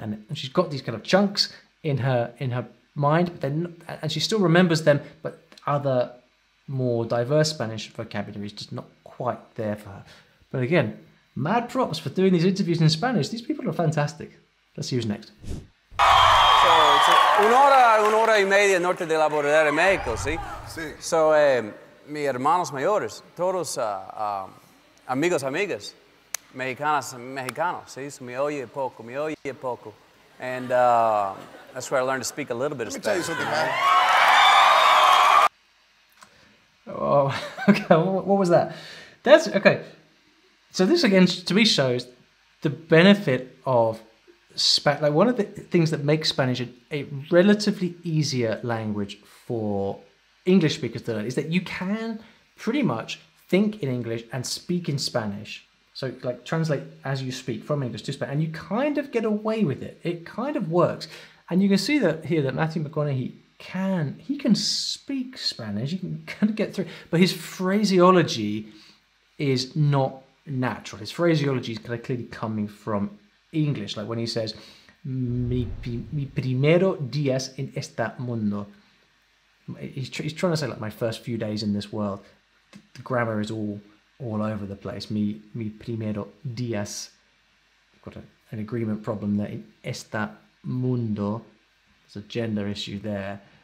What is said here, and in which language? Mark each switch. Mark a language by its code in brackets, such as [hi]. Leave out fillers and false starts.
[en] And she's got these kind of chunks in her mind, but then, and she still remembers them, but other more diverse Spanish vocabulary is just not quite there for her. But again, mad props for doing these interviews in Spanish. These people are fantastic. Let's see who's next. So it's [es] un hora y media norte de la bordera de México, ¿sí? Sí. So, mis hermanos mayores, todos amigos, amigas, mexicanas, mexicanos, ¿sí? So me oye poco. [en] And that's where I learned to speak a little bit of Spanish. Let me tell you something, man. Oh, okay, what was that? That's, okay. So this, again, to me, shows the benefit of Spanish. Like, one of the things that makes Spanish a relatively easier language for English speakers to learn is that you can pretty much think in English and speak in Spanish. So, like, translate as you speak from English to Spanish, and you kind of get away with it. It kind of works. And you can see that here that Matthew McConaughey can speak Spanish. He can kind of get through, but his phraseology is not natural. His phraseology is kind of clearly coming from English. Like when he says, [es] mi primero días en este mundo. [en] He's trying to say, like, my first few days in this world. The grammar is all over the place. [es] Mi primero días. [en] I've got an agreement problem there. [es] En este mundo. [en] There's a gender issue there.